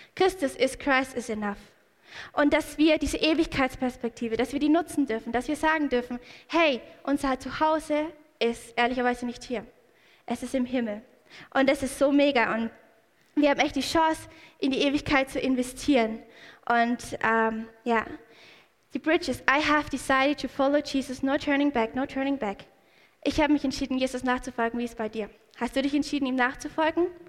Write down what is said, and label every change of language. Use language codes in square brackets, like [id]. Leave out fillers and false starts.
[en] Christ is enough. [de] Und dass wir diese Ewigkeitsperspektive, dass wir die nutzen dürfen, dass wir sagen dürfen, hey, unser Zuhause ist ehrlicherweise nicht hier. Es ist im Himmel. Und das ist so mega. Und wir haben echt die Chance, in die Ewigkeit zu investieren. Und ja, die Bridge ist, [en] I have decided to follow Jesus, no turning back. [de] Ich habe mich entschieden, Jesus nachzufolgen. Wie ist es bei dir? Hast du dich entschieden, ihm nachzufolgen?